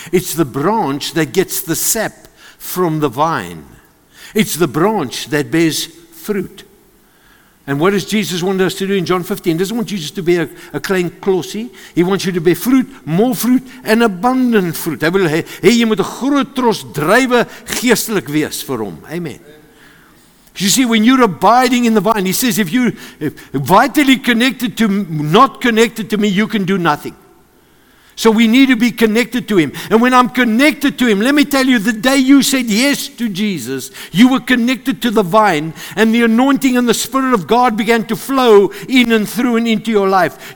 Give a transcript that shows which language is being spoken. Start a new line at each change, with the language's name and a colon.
English: It's the branch that gets the sap from the vine. It's the branch that bears fruit. And what does Jesus want us to do in John 15? He doesn't want you just to be a
Afrikaans: klein klossie.
English: He wants you to bear fruit, more fruit, and abundant fruit.
Afrikaans: Hy wil hê jy moet 'n groot tros druiwe geestelik wees vir hom.
English: Amen. You see, when you're abiding in the vine, He says, if vitally connected to, not connected to me, you can do nothing. So we need to be connected to Him. And when I'm connected to Him, let me tell you, the day you said yes to Jesus, you were connected to the vine, and the anointing and the Spirit of God began to flow in and through and into your life.